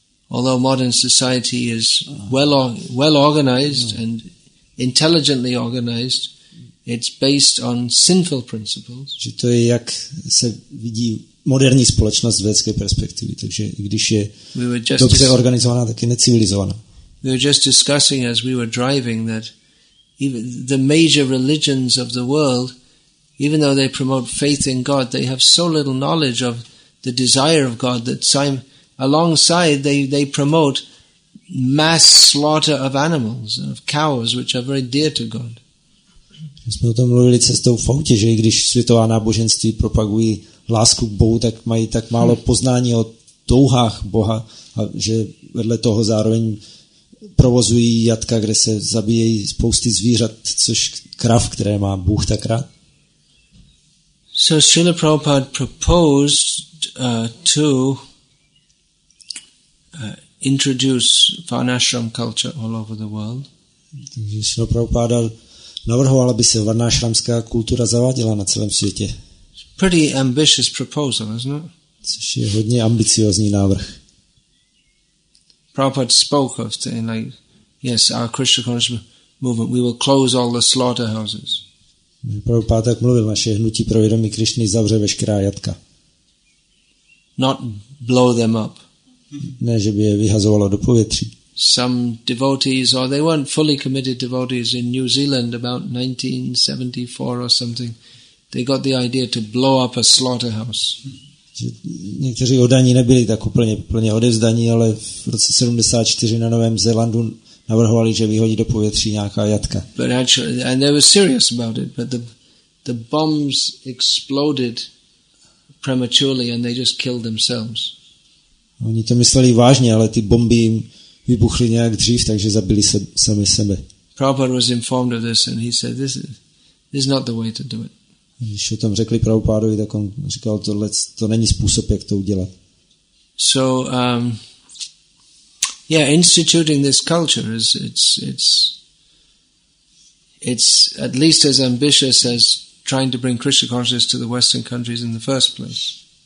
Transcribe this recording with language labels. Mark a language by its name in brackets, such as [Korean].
[English] Although modern society is well organized and intelligently organized, it's based on sinful principles. [Czech] Že to je, jak se vidí moderní společnost z vědecké perspektivy. Takže i když je dobře organizovaná, tak je necivilizovaná. [English] We were just discussing as we were driving that even the major religions of the world, even though they promote faith in God, they have so little knowledge of the desire of God that alongside they promote mass slaughter of animals and of cows, which are very dear to God. [Czech] My jsme o tom mluvili cestou v autě, že i když světová náboženství propagují lásku k Bohu, tak mají tak málo poznání o touhách Boha, a že vedle toho zároveň provozují jatka, kde se zabíjejí spousty zvířat, což krav, které má Bůh tak rád. [English] So Srila Prabhupada proposed to introduce Varnashram culture all over the world. [Czech] Takže Srila Prabhupada navrhoval, aby se varnashramská kultura zaváděla na celém světě. [English] Pretty ambitious proposal, isn't it? [Czech] Což je hodně ambiciózní návrh. [English] Prabhupada spoke of saying like, yes, our Krishna consciousness movement, we will close all the slaughterhouses. [Czech] Prabhupada tak mluvil, naše hnutí pro vědomí Krišny zavře veškerá jatka. [English] Not blow them up. [Czech] Ne, že by je vyhazovalo do povětří. [English] Some devotees, or they weren't fully committed devotees in New Zealand about 1974 or something, they got the idea to blow up a slaughterhouse. [Czech] Někteří oddaní nebyli tak úplně odevzdaní, ale v roce 74 na Novém Zélandu navrhovali, že vyhodí do povětří nějaká jatka. [English] But actually, and they were serious about it, but the bombs exploded prematurely and they just killed themselves. [Czech] Oni to mysleli vážně, ale ty bomby jim vybuchly nějak dřív, takže zabili se sami sebe. [English] Prabhupada was informed of this and he said, this is not the way to do it. [Czech] Když o tom řekli Prabhupádovi, tak on říkal, tohle to není způsob, jak to udělat. [English] So, instituting this culture is it's at least as ambitious as trying to bring Krishna consciousness to the Western countries in the first place.